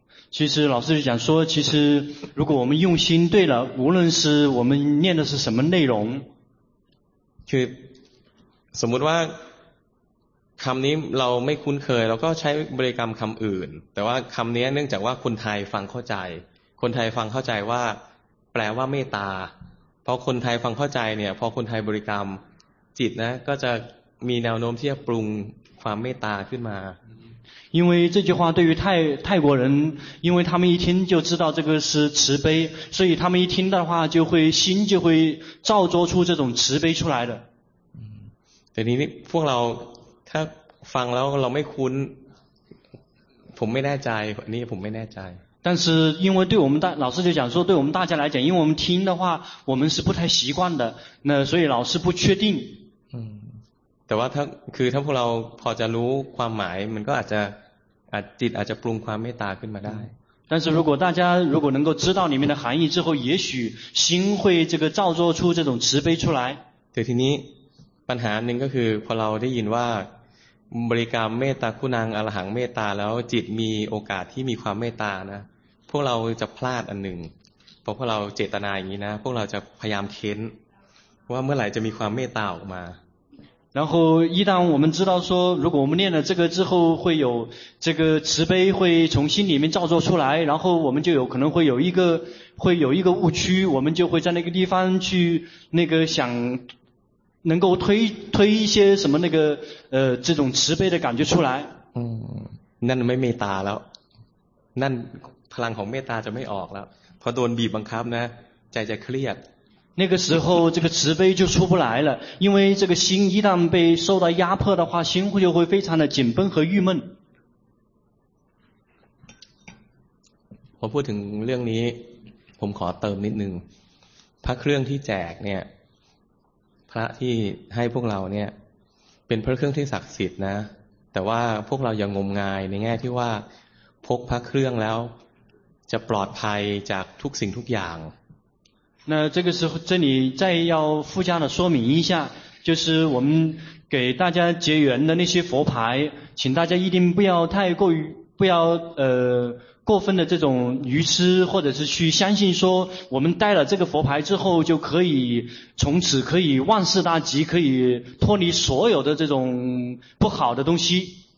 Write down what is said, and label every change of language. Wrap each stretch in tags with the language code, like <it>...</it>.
<zh>其实老师就讲说其实如果我们用心对了无论是我们念的是什么内容</zh> <th>คือสมมติว่าคำนี้เราไม่คุ้นเคยเราก็ใช้บริกรรมคำอื่นแต่ว่าคำนี้เนื่องจากว่าคนไทยฟังเข้าใจคนไทยฟังเข้าใจว่าแปลว่าเมตตาพอคนไทยฟังเข้าใจเนี่ยพอคนไทยบริกรรมจิตนะก็จะมีแนวโน้มที่จะปรุงความเมตตาขึ้นมา</th> <zh>因为这句话对于泰国人因为他们一听就知道这个是慈悲所以他们一听的话就会心就会照着出这种慈悲出来的</zh> <th>แต่นี้พวกเราถ้าฟังแล้วเราไม่คุ้นผมไม่แน่ใจอันนี้ผมไม่แน่ใจ</th> <zh>但是因为对我们大老师就讲说对我们大家来讲因为我们听的话我们是不太习惯的那所以老师不确定</zh> <th>แต่ว่าถ้าคือถ้าพวกเราพอจะรู้ความหมายมันก็อาจจิตอาจจะปรุงความเมตตาขึ้นมาได้</th> <zh>但是如果大家如果能够知道里面的含义之后也许心会这个造作出这种慈悲出来</zh> <th>对ทีนี้ปัญหาหนึ่งก็คือพอเราได้ยินว่าบริกรรมเมตตาคุณังอรหังเมตตาแล้วจิตมีโอกาสที่มีความเมตตานะพวกเราจะพลาดอันหนึ่งเพราะพวกเราเจตนาอย่างนี้นะพวกเราจะพยายามเค้นว่าเมื่อไหร่จะมีความเมตตาออกมา</th> <zh>然后一旦我们知道说如果我们念了这个之后会有这个慈悲会从心里面造作出来然后我们就有可能会有一个误区我们就会在那个地方去那个想能够推一些什么那个这种慈悲的感觉出来</zh> <th>นั่นไม่เมตตาแล้วนั่นพลังของเมตตาจะไม่ออกแล้วพอโดนบีบบังคับนะใจจะเครียด</th> <zh>那个时候这个慈悲就出不来了因为这个心一旦被受到压迫的话心就会非常的紧绷和郁闷</zh> <th>พอพูดถึงเรื่องนี้ผมขอเติมนิดนึงพระเครื่องที่แจกเนี่ยพระที่ให้พวกเราเนี่ยเป็นพระเครื่องที่ศักดิ์สิทธิ์นะแต่ว่าพวกเราอย่างงมงายในแง่ที่ว่าพกพระเครื่องแล้วจะปลอดภัยจากทุกสิ่งทุกอย่าง</th> <zh>那这个时候这里再要附加的说明一下就是我们给大家结缘的那些佛牌请大家一定不要太过于不要过分的这种愚痴或者是去相信说我们带了这个佛牌之后就可以从此可以万事大吉可以脱离所有的这种不好的东西</zh>